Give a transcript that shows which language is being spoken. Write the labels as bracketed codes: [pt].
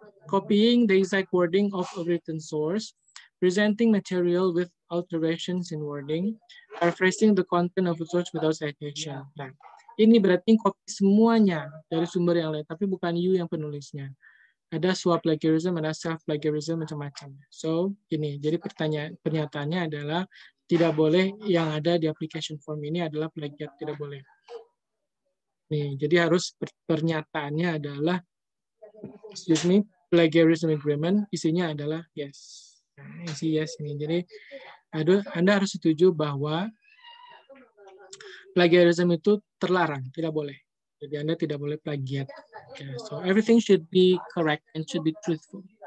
[en] Copying the exact wording of a written source, presenting material with alterations in wording, paraphrasing the content of a source without citation. [id] Nah, ini berarti copy semuanya dari sumber yang lain, tapi bukan you yang penulisnya. Ada swap plagiarism, ada self plagiarism, macam-macam. So, ini. Jadi pernyataannya adalah tidak boleh yang ada di application form ini adalah plagiat, tidak boleh. Nih, jadi harus pernyataannya adalah [en] excuse me, [id] plagiarism agreement isinya adalah yes. Isi yes ini. Jadi Anda harus setuju bahwa plagiarism itu terlarang, tidak boleh. Jadi Anda tidak boleh plagiat. Okay. [en] So everything should be correct and should be truthful.